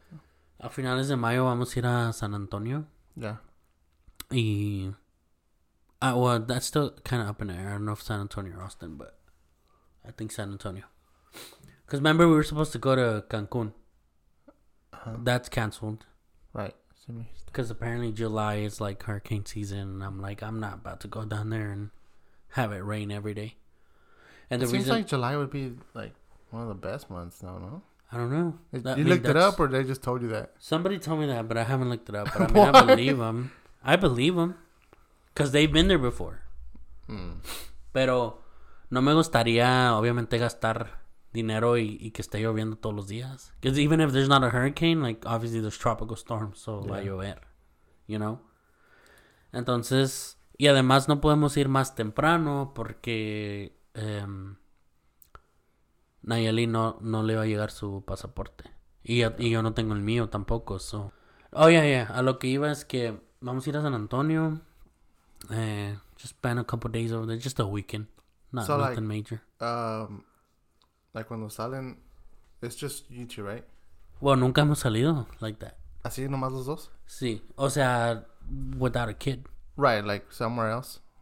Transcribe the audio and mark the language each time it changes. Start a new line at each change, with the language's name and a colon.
Spanish: Yeah. A finales de mayo vamos a ir a San Antonio.
English: Yeah. Y, well, that's still kind of up in the air. I don't know if San Antonio or Austin, but I think San Antonio. Because remember, we were supposed to go to Cancun. That's canceled. Right. Because apparently July is like hurricane season. And I'm like, I'm not about to go down there and have it rain every day. And it seems like July would be like one of the best months now, no? I don't know. You looked it up or they just told you that? Somebody told me that, but I haven't looked it up. But I mean, I believe them. Because they've been there before.
Spanish: Pero no me gustaría, obviamente, gastar dinero y que esté lloviendo todos los días.
English: Because even if there's not a hurricane, like, obviously there's tropical storms, so
Spanish: va a llover,
English: you know?
Spanish: Entonces, Y además no podemos ir más temprano porque Nayeli no le va a llegar su pasaporte. Y yo no tengo el mío tampoco, so. Oh, a lo que iba es que vamos a ir a San Antonio.
English: Just spend a couple days over there, just a weekend. Not So nothing major. like
Spanish: cuando salen,
English: it's just you two, right?
Spanish: Well, nunca hemos salido
English: like that.
Spanish: Así nomás los dos. Sí, o sea,
English: without a kid. Right, like somewhere else.